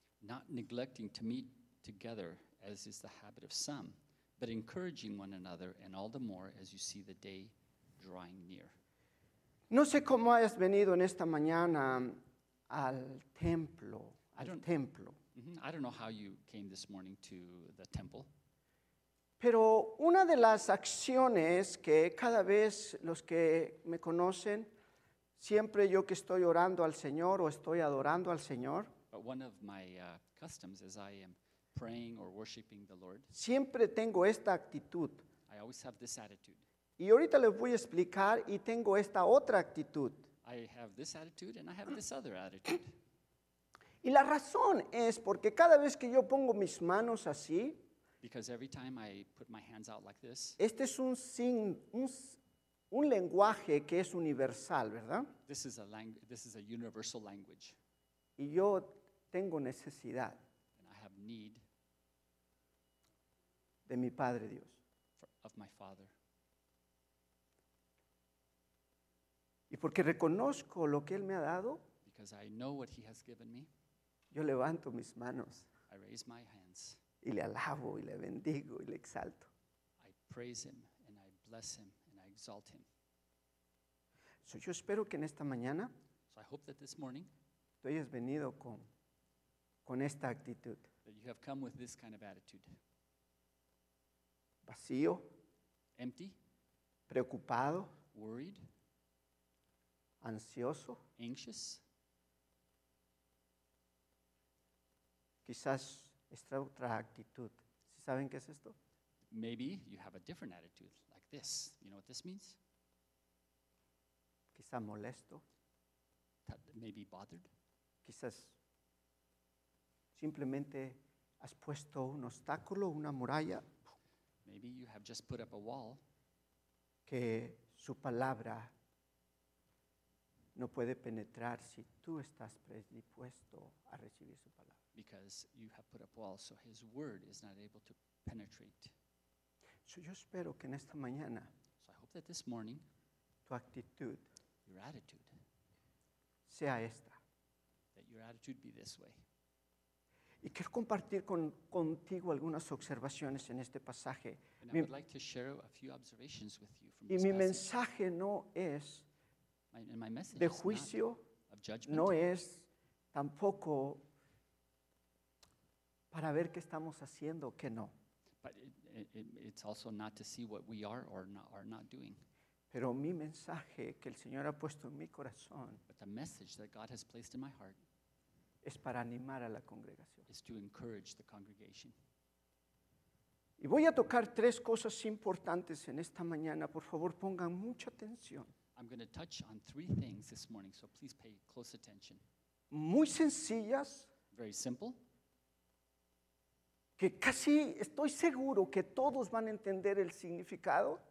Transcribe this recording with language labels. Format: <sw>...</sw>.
<en>Not neglecting to meet together, as is the habit of some, but encouraging one another, and all the more as you see the day drawing near.</en> <es>No sé cómo hayas venido en esta mañana al templo,</es> <en>I don't know how you came this morning to the temple.</en> <es>Pero una de las acciones que cada vez los que me conocen, siempre yo que estoy orando al Señor o estoy adorando al Señor.</es> <en>But one of my customs as I am praying or worshiping the Lord.</en> <es>Siempre tengo esta actitud.</es> <en>I always have this attitude.</en> <es>Y ahorita les voy a explicar y tengo esta otra actitud.</es> <en>I have this attitude and I have this other attitude.</en> <es>Y la razón es porque cada vez que yo pongo mis manos así,</es> <en>because every time I put my hands out like this,</en> <es>este es un lenguaje que es universal, ¿verdad?</es> <en>This is a universal language.</en> <es>Y yo tengo necesidad.</es> <en>And I have need</en> <es>de mi Padre Dios.</es> <en>Of my Father.</en> <es>Y porque reconozco lo que Él me ha dado,</es> <en>because I know what He has given me,</en> <es>yo levanto mis manos.</es> <en>I raise my hands.</en> <es>Y le alabo y le bendigo y le exalto.</es> <en>I praise him and I bless him and I exalt him.</en> <es>So yo espero que en esta mañana,</es> <en>so I hope that this morning,</en> <es>tú hayas venido con esta actitud.</es> <en>That you have come with this kind of attitude.</en> <es>Vacío.</es> <en>Empty.</en> <es>Preocupado.</es> <en>Worried.</en> <es>Ansioso.</es> <en>Anxious.</en> <es>Quizás esta otra actitud. ¿Saben qué es esto?</es> <en>Maybe you have a different attitude, like this. You know what this means?</en> <es>Quizá molesto.</es> <en>Maybe bothered.</en> <es>Quizás simplemente has puesto un obstáculo, una muralla.</es> <en>Maybe you have just put up a wall.</en> <es>Que su palabra no puede penetrar si tú estás predispuesto a recibir su palabra.</es> <en>Because you have put up walls, so his word is not able to penetrate.</en> <es>So yo espero que en esta mañana,</es> <en>so I hope that this morning,</en> <es>tu actitud,</es> <en>your attitude,</en> <es>sea esta.</es> <en>That your attitude be this way.</en> <es>Y quiero compartir contigo algunas observaciones en este pasaje.</es> <en>And I would like to share a few observations with you from this passage.</en> <es>Y mi mensaje no es</es> <en>my message</en> <es>de juicio,</es> <en>not of judgment.</en> <es>No es tampoco para ver qué estamos haciendo o qué no.</es> <en>But it's also not to see what we are or are not doing.</en> <es>Pero mi mensaje que el Señor ha puesto en mi corazón,</es> <en>but the message that God has placed in my heart,</en> <es>es para animar a la congregación.</es> <en>Is to encourage the congregation.</en> <es>Y voy a tocar tres cosas importantes en esta mañana. Por favor, pongan mucha atención.</es> <en>I'm going to touch on three things this morning, so please pay close attention.</en> <es>Muy sencillas.</es> <en>Very simple.</en> <es>Que casi estoy seguro que todos van a entender el significado.</es>